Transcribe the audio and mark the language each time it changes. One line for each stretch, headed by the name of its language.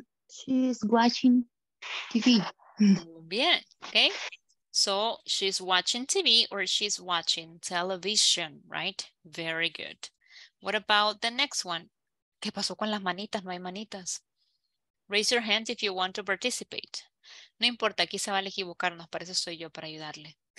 English: She's watching TV.
Spanish: Muy bien,
English: okay. So, she's watching TV or she's watching television, right? Very good. What about the next one?
Spanish: ¿Qué pasó con las manitas? No hay manitas.
English: Raise your hand if you want to participate.
Spanish: No importa, aquí se vale equivocarnos, para eso soy yo, para ayudarle.